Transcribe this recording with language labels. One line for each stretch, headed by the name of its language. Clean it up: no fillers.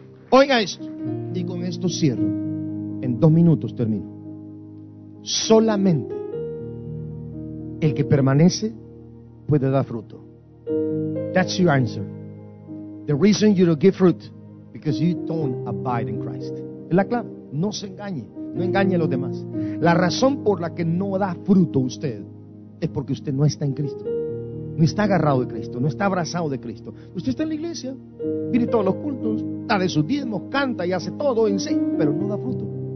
Spanish: Oiga esto. Y con esto cierro. En 2 minutos termino. Solamente el que permanece puede dar fruto.
English: That's your answer. The reason you don't give fruit, because you don't abide in Christ.
Spanish: Es la clave. No se engañe. No engañe a los demás. La razón por la que no da fruto usted es porque usted no está en Cristo. No está agarrado de Cristo. No está abrazado de Cristo. Usted está en la iglesia. Viene todos los cultos. Da de sus diezmos. Canta y hace todo en sí. Pero no da fruto.